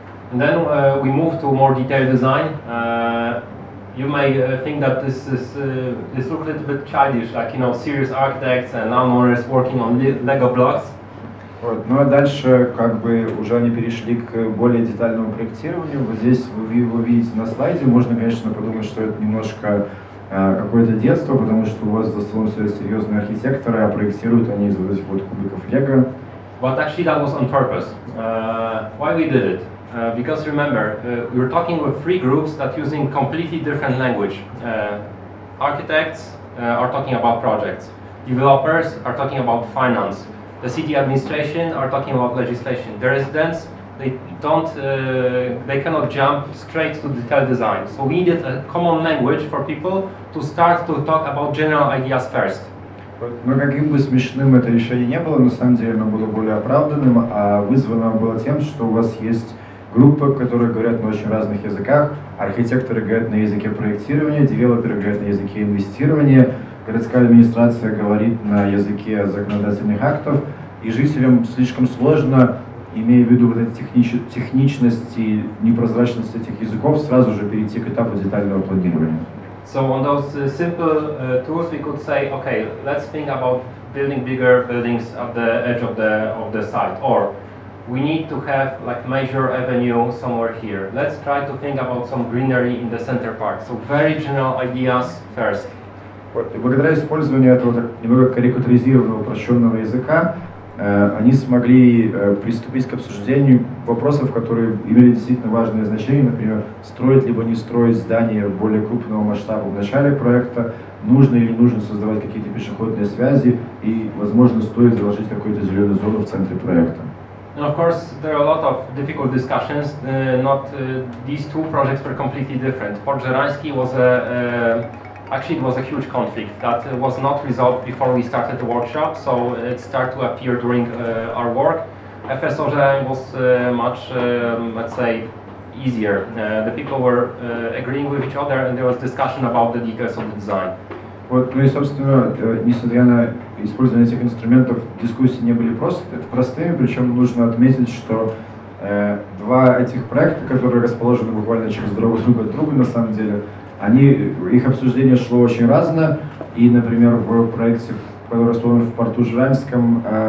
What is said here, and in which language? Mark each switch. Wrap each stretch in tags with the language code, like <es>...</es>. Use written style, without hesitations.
<en>And then we move to more detailed design. You may think that this looks a little bit childish, like, you know, serious architects and landowners working on Lego blocks.</en> <ru>Вот. Ну а дальше как бы уже они перешли к более детальному проектированию. Вот здесь вы его видите на слайде. Можно, конечно, подумать, что это немножко какое-то детство, потому что у вас за столом стоят серьезные архитекторы, а проектируют они из вот этих вот кубиков Лего.</ru> <en>But actually that was on purpose. Why we did it? Because remember, we were talking with three groups that using completely different language. Architects are talking about projects. Developers are talking about finance. The city administration are talking about legislation. The residents, they cannot jump straight to detailed design. So we needed a common language for people to start to talk about general ideas first.</en> <ru>Но каким бы смешным это решение не было, на самом деле оно было более оправданным, а вызвано было тем, что у вас есть группы, которые говорят на очень разных языках. Архитекторы говорят на языке проектирования, девелоперы говорят на языке инвестирования. городская администрация говорит на языке законодательных актов, и жителям слишком сложно, имея в виду вот эту техничность и непрозрачность этих языков, сразу же перейти к этапу детального планирования.</ru> <en>So on those simple tools, we could say, okay, let's think about building bigger buildings at the edge of the site, or we need to have like major avenue somewhere here. Let's try to think about some greenery in the center part. So very general ideas first.</en> <ru>Вот, благодаря использованию этого немного карикатуризированного упрощенного языка, они смогли приступить к обсуждению вопросов, которые имели действительно важное значение, например, строить либо не строить здание более крупного масштаба в начале проекта, нужно или не нужно создавать какие-то пешеходные связи и, возможно, стоит заложить какую-то зеленую зону в центре проекта.</ru> <en>And of course, there are a lot of difficult discussions. Not these two projects were completely different. Port Żerański was a actually, it was a huge conflict that was not resolved before we started the workshop, so it started to appear during our work. FSO Żerań was much, let's say, easier. The people were agreeing with each other and there was discussion about the details of the design.</en> <ru>Вот, ну и, собственно, несмотря на использование этих инструментов, дискуссии не были простыми, причем нужно отметить, что два этих проекта, которые расположены буквально через друг друга на самом деле, они, их обсуждение шло очень разно, и, например, в проекте, который расположен в порту Жиранском,</ru>